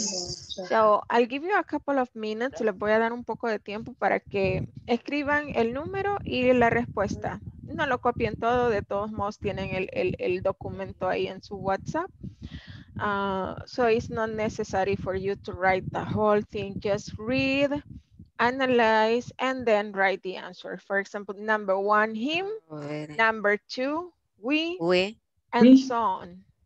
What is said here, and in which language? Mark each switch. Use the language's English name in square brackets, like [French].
[English] So I'll give you a couple of minutes. [Spanish] Les voy a dar un poco de tiempo para que escriban el número y la respuesta. No lo copien todo. De todos modos, tienen el documento ahí en su WhatsApp. [English] So it's not necessary for you to write the whole thing. Just read, analyze, and then write the answer. For example, number one, him. Number two, we. And so on.